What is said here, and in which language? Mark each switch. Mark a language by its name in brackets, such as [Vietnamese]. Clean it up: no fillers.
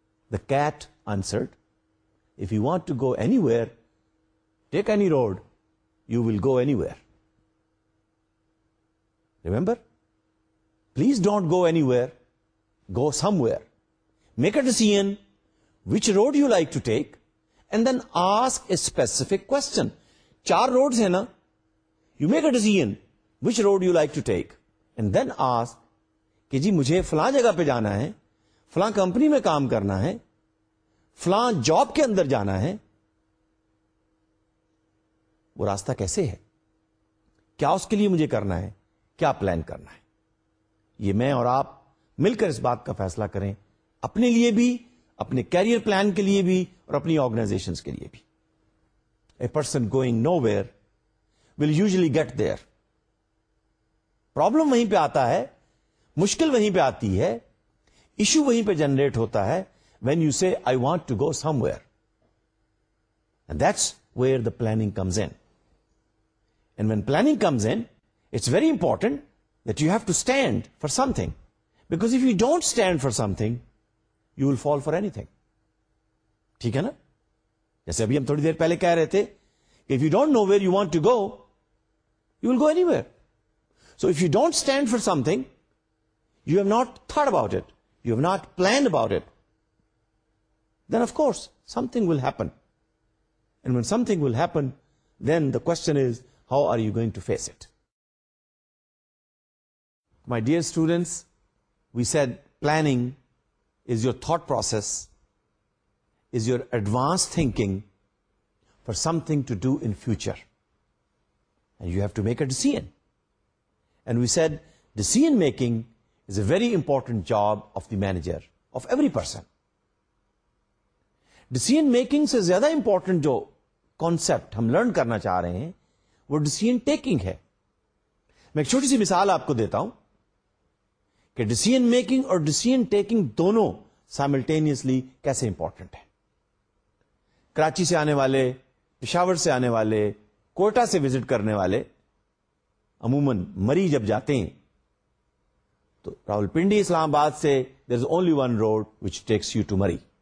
[English] The cat answered, if you want to go anywhere, take any road, you will go anywhere. Remember? Please don't go anywhere, go somewhere. Make a decision, which road you like to take, and then ask a specific question. [Urdu] Char roads hai na? [English] You make a decision which road you like to take and then ask [Urdu] کہ جی مجھے فلاں جگہ پہ جانا ہے, فلاں company میں کام کرنا ہے, فلاں جاب کے اندر جانا ہے, وہ راستہ کیسے ہے, کیا اس کے لیے مجھے کرنا ہے, کیا پلان کرنا ہے. یہ میں اور آپ مل کر اس بات کا فیصلہ کریں, اپنے لیے بھی, اپنے کیریئر پلان کے لیے بھی, اور اپنی آرگنائزیشن کے لیے بھی. [English] A person going nowhere will usually get there. [Urdu] Problem وہیں پہ آتا ہے, مشکل وہیں پہ آتی ہے, issue وہیں پہ generate ہوتا ہے [English] when you say I want to go somewhere. And that's where the planning comes in. And when planning comes in, it's very important that you have to stand for something. Because if you don't stand for something, you will fall for anything. [Urdu] ٹھیک ہے نا؟ جیسے ابھی ہم تھوڑی دیر پہلے کہہ رہے تھے کہ [English] if you don't know where you want to go, you will go anywhere. So if you don't stand for something, you have not thought about it, you have not planned about it, then of course something will happen. And when something will happen, then the question is, how are you going to face it? My dear students, we said planning is your thought process, is your advanced thinking for something to do in future. And you have to make a decision. And we said, decision making is a very important job of the manager, of every person. [Urdu] Decision making سے زیادہ important جو concept ہم learn کرنا چاہ رہے ہیں وہ decision taking ہے. میں ایک چھوٹی سی مثال آپ کو دیتا ہوں کہ decision making اور decision taking دونوں سائملٹینیسلی کیسے امپورٹنٹ ہے. کراچی سے آنے والے, پشاور سے آنے والے, کوئٹہ سے وزٹ کرنے والے عموماً مری جب جاتے ہیں تو راولپنڈی اسلام آباد سے [English] There is only one road which takes you to Murree.